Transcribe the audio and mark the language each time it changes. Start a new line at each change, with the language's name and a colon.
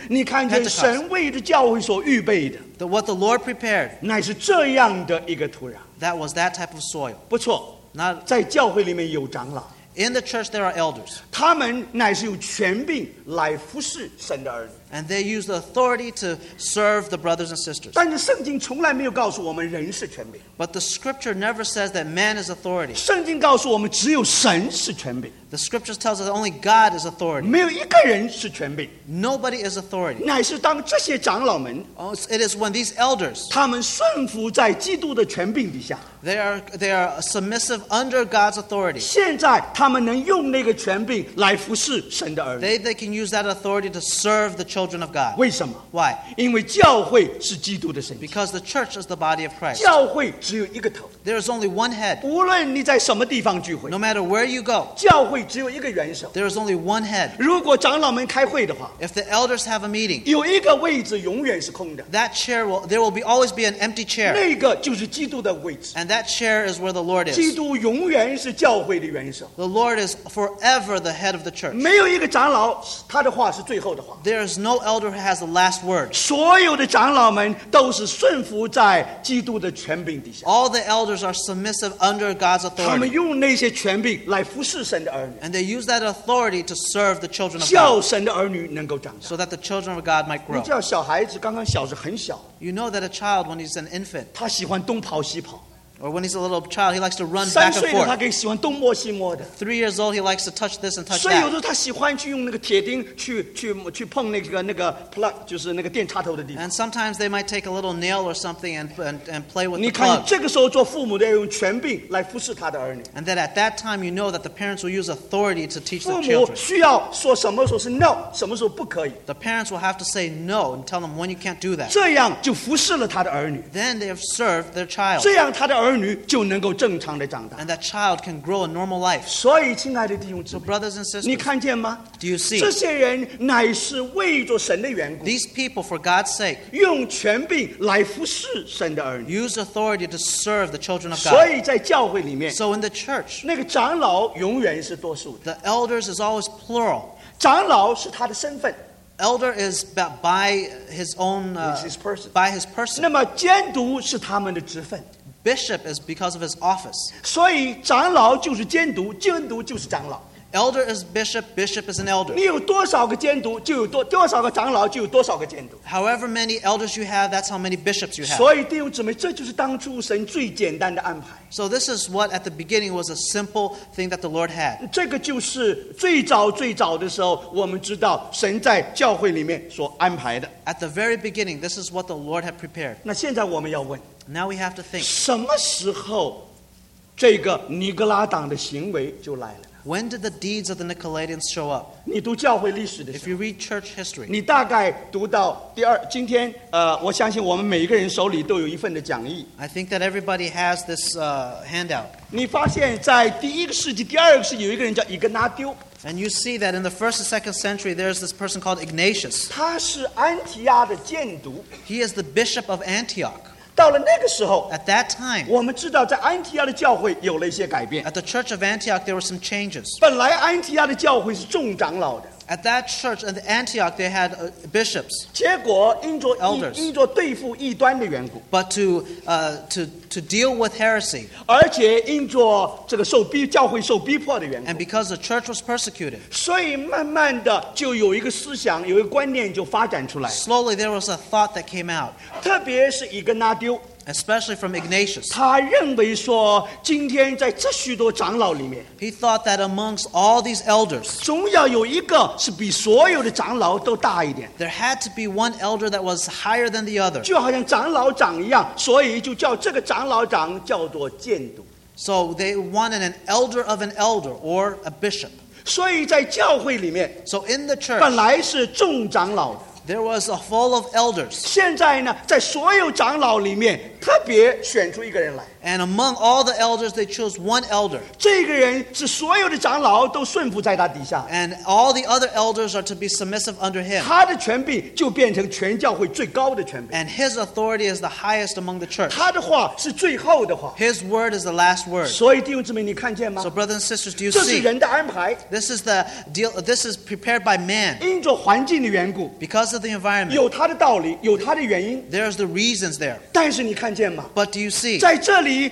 Chinese: 你看见神为着教会所预备的，
English: the, What the Lord prepared,
Chinese: 乃是这样的一个土壤，
English: That was that type of soil.
Chinese: 不错，
English: Not,
Chinese: 在教会里面有长老，
English: In the church there are elders.
Chinese: 他们乃是有权柄来服侍神的儿女。
English: And they use the authority to serve the brothers and sisters.
Chinese: 但是圣经从来没有告诉我们人是权柄。
English: But the scripture never says that man is authority.
Chinese: 圣经告诉我们只有神是权柄。
English: The scriptures tells us that only God is authority.
Chinese: 没有一个人是权柄。
English: Nobody is authority.
Chinese: 乃是当这些长老们，
English: oh, it is when these elders,
Chinese: 他们顺服在基督的权柄底下。
English: They are submissive under God's authority.
Chinese: 现在他们能用那个权柄来服侍神的儿女。
English: They can use that authority to serve the children of God.
Chinese: 为什么？
English: Why?
Chinese: 因为教会是基督的身体。
English: Because the church is the body of Christ.
Chinese: 教会只有一个头。
English: There is only one head.
Chinese: 无论你在什么地方聚会，
English: No matter where you go,
Chinese: 教会只有一个元首。
English: There is only one head.
Chinese: 如果长老们开会的话，
English: If the elders have a meeting,
Chinese: 有一个位置永远是空的。
English: That chair will, there will be, always be an empty chair.
Chinese: 那个就是基督的位置。
English: And that chair is where the Lord is.
Chinese: 基督永远是教会的元首。
English: The Lord is forever the head of the church.
Chinese: 没有一个长老，他的话是最后的话。
English: There is no elder has the last word.
Chinese: 所有的长老们都是顺服在基督的权柄底下。
English: All the elders are submissive under God's authority.
Chinese: 他们用那些权柄来服侍神的儿女。
English: And they use that authority to serve the children of God.
Chinese: 叫神的儿女能够长大。
English: So that the children of God might grow.
Chinese: 你知道小孩子刚刚小是很小。
English: You know that a child when he's an infant.
Chinese: 他喜欢东跑西跑。
English: Or when he's a little child, he likes to run back and forth.
Chinese: 三岁的他可以喜欢东摸西摸的。
English: 3 years old, he likes to touch this and touch that.
Chinese: 所以有时候他喜欢去用那个铁钉去碰那个 plug, 就是那个电插头的地方。
English: And sometimes they might take a little nail or something and play with the plug.
Chinese: 你看这个时候做父母的要用权柄来服侍他的儿女。
English: And then at that time, you know that the parents will use authority to teach the children.
Chinese: 父母需要说什么时候是 no, 什么时候不可以。
English: The parents will have to say no and tell them when you can't do that.
Chinese: 这样就服侍了他的儿女。
English: Then they have served their child.
Chinese: 这样他的儿女就能够正常的长大。
English: And that child can grow a normal life.
Chinese: 所以亲爱的弟兄姊妹
English: so, brothers and sisters,
Chinese: 你看见吗
English: Do you see?
Chinese: 这些人乃是为着神的缘故
English: These people for God's sake
Chinese: 用权柄来服侍神的儿女
English: Use authority to serve the children of God.
Chinese: 所以在教会里面
English: So in the church
Chinese: 那个长老永远是多数的
English: The elders is always plural.
Chinese: 长老是他的身份
English: Elder is by his own his person. By his person.
Chinese: 那么监督是他们的职分
English: Bishop is because of his office.
Chinese: 所以长老就是监督，监督就是长老。
English: Elder is bishop, bishop is an elder.
Chinese: 你有多少个监督，就有多少个长老，就有多少个监督。
English: However many elders you have, that's how many bishops you have.
Chinese: 所以弟兄姊妹，这就是当初神最简单的安排。
English: So this is what at the beginning was a simple thing that the Lord had.
Chinese: 这个就是最早最早的时候，我们知道神在教会里面所安排的。
English: At the very beginning, this is what the Lord had prepared.
Chinese: 那现在我们要问。
English: Now we have to think.
Chinese: 什么时候这个尼格拉党的行为就来了？
English: When did the deeds of the Nicolaitans show up?
Chinese: 你读教会历史的时候，
English: If you read church history,
Chinese: 你大概读到第二。今天，我相信我们每一个人手里都有一份的讲义。
English: I think that everybody has this handout.
Chinese: 你发现在第一个世纪、第二个世纪有一个人叫伊格纳丢。
English: And you see that in the first and second century, there's this person called Ignatius.
Chinese: 他是安提亚的监督。
English: He is the bishop of Antioch.
Chinese: 到了那个时候
English: At that time,
Chinese: 我们知道在安提亚的教会有了一些改变
English: At the church of Antioch, there were some changes.
Chinese: 本来安提亚的教会是众长老的
English: At that church in Antioch, they had bishops,
Chinese: 结果
English: elders,
Chinese: 因着对付异端的缘故
English: But to deal with heresy,
Chinese: 而且因着这个教会受逼迫的缘故
English: And because the church was persecuted,
Chinese: 所以慢慢的就有一个思想有一个观念就发展出来
English: Slowly, there was a thought that came out.
Chinese: 特别是伊格纳丢
English: especially from Ignatius.
Chinese: 他认为说，今天在这许多长老里面
English: ，He thought that amongst all these elders,
Chinese: 总要有一个是比所有的长老都大一点。
English: There had to be one elder that was higher than the other.
Chinese: 就好像长老长一样，所以就叫这个长老长叫做监督。
English: So they wanted an elder of an elder or a bishop.
Chinese: 所以在教会里面
English: ，So in the church,
Chinese: 本来是众长老的。
English: There was a full of elders.
Chinese: 现在呢，在所有长老里面，特别选出一个人来。
English: And among all the elders, they chose one elder.
Chinese: 这个人是所有的长老都顺服在他底下。
English: And all the other elders are to be submissive under him.
Chinese: 他的权柄就变成全教会最高的权柄。
English: And his authority is the highest among the church.
Chinese: 他的话是最后的话。
English: His word is the last word.
Chinese: 所以弟兄姊妹，你看见吗
English: ？So brothers and sisters, do you
Chinese: 这是人的安排。
English: This is the deal. This is prepared by man.
Chinese: 因着环境的缘故。
English: Because of the environment.
Chinese: 有他的道理，有他的原因。
English: There's the reasons there.
Chinese: 但是你看见吗
English: ？But do you see?
Chinese: 在这里。